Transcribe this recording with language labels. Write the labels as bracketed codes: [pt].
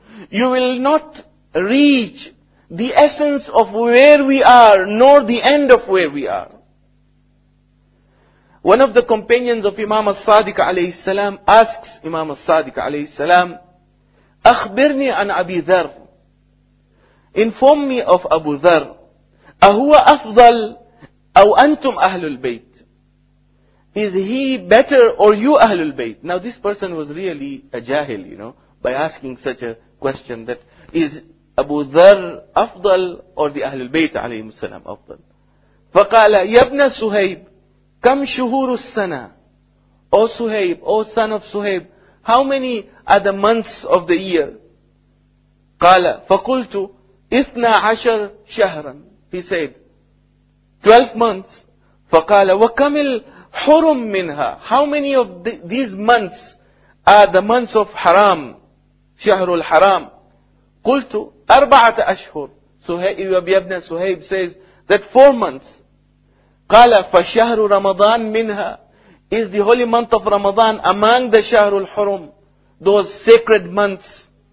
[en] You will not reach the essence of where we are, nor the end of where we are. One of the companions of Imam al-Sadiq alayhi salam asks Imam al-Sadiq alayhi salam, [ar] أَخْبِرْنِي عَنْ أَبِي ذَرْ. [en] Inform me of Abu Dharr. [ar] أهو أفضل أو أنتم أهل البيت؟ [en] Is he better or you [ar] أهل البيت? [en] Now this person was really a jahil, you know, by asking such a question that is Abu Dharr أفضل or the [ar] أهل البيت عليه السلام أفضل. فقال يا ابن سهيب كم شهور السنة؟ [en] O Suhaib, O son of Suhaib, how many are the months of the year? [ar] قَالَ فَقُلْتُ إِثْنَا عَشَرْ شَهْرًا [en] He said, 12 months. [ar] فَقَالَ وَكَمِ الْحُرُمْ مِنْهَا [en] How many of these months are the months of Haram? [ar] شهر الحرام قُلْتُ أَرْبَعَةَ أَشْهُرْ [en] Suhaib ibn Suhaib says that 4 months. [ar] قَالَ فَشَهْرُ رَمَضَان مِنْهَا [en] Is the holy month of Ramadan among the Shahr al-Hurum, those sacred months?